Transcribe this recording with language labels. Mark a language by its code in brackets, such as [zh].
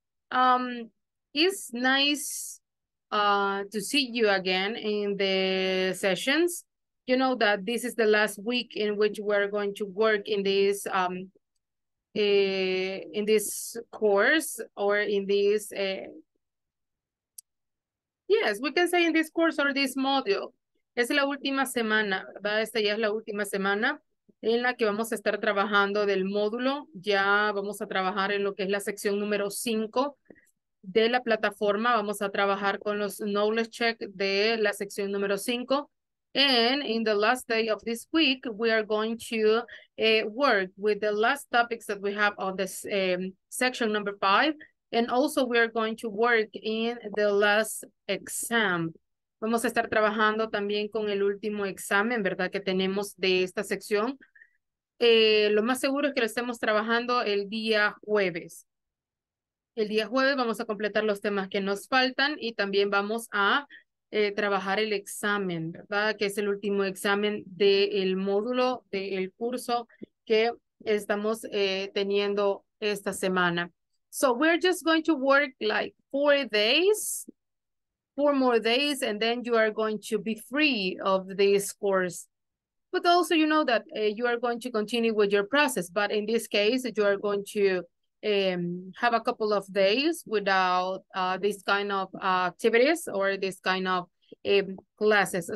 [en] But it's nice to see you again in the sessions. You know that this is the last week in which we're going to work in this course, or in this yes, we can say in this course or this module. [es] Es la última semana, ¿verdad? Esta ya es la última semana en la que vamos a estar trabajando del módulo. Ya vamos a trabajar en lo que es la sección número 5 de la plataforma. Vamos a trabajar con los knowledge check de la sección número 5. [en] And in the last day of this week, we are going to work with the last topics that we have on this section number 5. And also we are going to work in the last exam. [es] Vamos a estar trabajando también con el último examen, ¿verdad?, que tenemos de esta sección. Lo más seguro es que lo estemos trabajando el día jueves. El día jueves vamos a completar los temas que nos faltan y también vamos a trabajar el examen, ¿verdad?, que es el último examen del módulo, del curso que estamos teniendo esta semana. [en] So we're just going to work like 4 days, 4 more days, and then you are going to be free of this course. But also you know that you are going to continue with your process, but in this case, you are going to have a couple of days without this kind of activities or this kind of classes.